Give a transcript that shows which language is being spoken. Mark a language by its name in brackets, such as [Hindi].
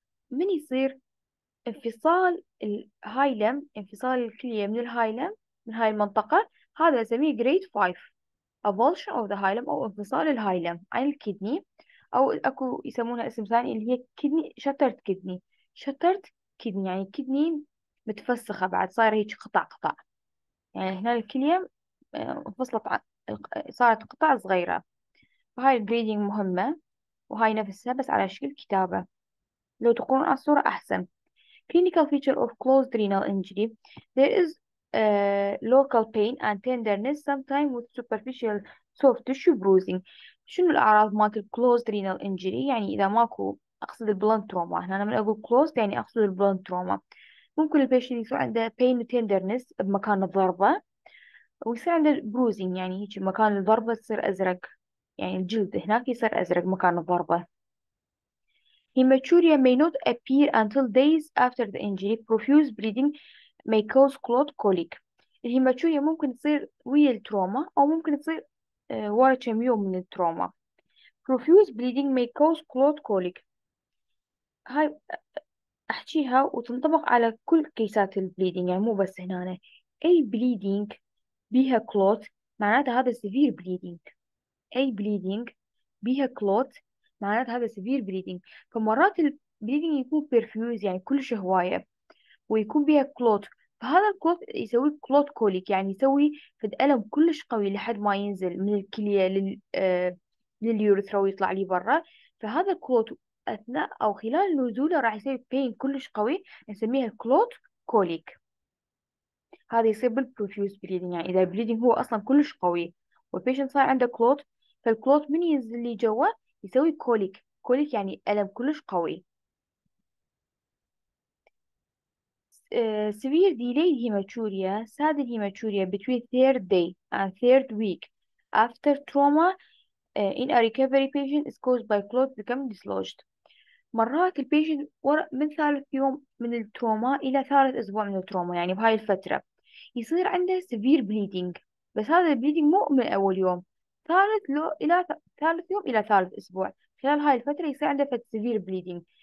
[Arabic] من يصير انفصال الهايلم، انفصال الكلية من الهايلم من هاي المنطقة، هذا أسميه جريد 5 [English] avulsion of the hilum [Arabic] أو انفصال الهايلم عن الكدني، أو أكو يسمونها اسم ثاني اللي هي كدني شترت كدني، شترت كدني يعني كدني متفسخة بعد صاير هيك قطع قطع، يعني هنا الكلية انفصلت عن صارت قطع صغيرة. فهاي البريدينج مهمة، وهاي نفسها بس على شكل كتابة، لو تقرون على الصورة أحسن. [English] clinical feature of closed renal injury there is local pain and tenderness sometimes with superficial soft tissue bruising. [Arabic] شنو الأعراض مالت [English] closed renal injury؟ [Arabic] يعني إذا ماكو أقصد البلانت تروما، هنا أنا من أقول closed يعني أقصد البلانت تروما، ممكن البيشنت يكون عنده [English] pain and tenderness [Arabic] بمكان الضربة، ويصير عنده بروزين يعني هيك مكان الضربة تصير أزرق، يعني الجلد هناك يصير أزرق مكان الضربة. [English] Hematuria may not appear until days after the injury. Profuse bleeding may cause clot colic. [Arabic] الهيماتوريا ممكن تصير ويا التروما أو ممكن تصير ورا كم يوم من التروما. [English] Profuse bleeding may cause clot colic. [Arabic] هاي أحكيها وتنطبق على كل كيسات البليدينج، يعني مو بس هنا. أي بليدينج بيها كلوت معناتها هذا سيفير بليدينج، اي بليدينج بيها كلوت معناتها هذا سيفير بليدينج. فمرات البليدينج يكون بيرفيوز يعني كل شيء هواية ويكون بيها كلوت، فهذا الكلوت يسوي كلوت كوليك، يعني يسوي فد ألم كلش قوي لحد ما ينزل من الكلية لليورثرا ويطلع لي برا. فهذا الكلوت أثناء أو خلال نزوله راح يسوي بين كلش قوي، نسميها كلوت كوليك. هذا يصير بالبروفيوز بليدنج، يعني اذا البليدنج هو اصلا كلش قوي والبيشنت صار عنده كلوت، فالكلوت من ينزل لي جوا يسوي كوليك، كوليك يعني الم كلش قوي. [English] Severe delay haematuria ساد الهيماتوريا between third day and third week after trauma in a recovery patient is caused by clot become dislodged. [Arabic] مرات البيشنت من ثالث يوم من التروما الى ثالث اسبوع من التروما، يعني بهاي الفترة يصير عنده سيفير بليدنج، بس هذا البليدنج مو من اول يوم، ثالث لو الى ثالث يوم الى ثالث اسبوع، خلال هاي الفتره يصير عنده فد سيفير بليدنج.